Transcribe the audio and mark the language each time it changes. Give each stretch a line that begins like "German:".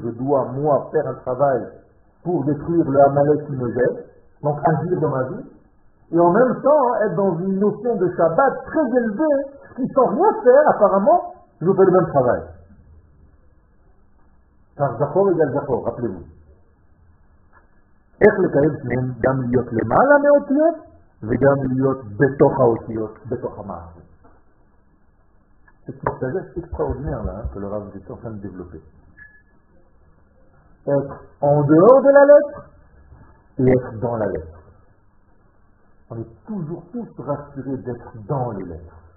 French: Je dois, moi, faire un travail pour détruire le Amalek qui me gêne, donc agir dans ma vie, et en même temps être dans une notion de Shabbat très élevée, qui sans rien faire, apparemment, je fais le même travail. Car Zahor égale Zahor, rappelez-vous.
Hebrew: איך לקיים שניהם גם להיות למעלה מאותיות וגם להיות בתוך האותיות, בתוך המעשה.
French: C'est une sagesse extraordinaire là, que le Rav est en train de développer. Être en dehors de la lettre et être dans la lettre. On est toujours tous rassurés d'être dans les lettres.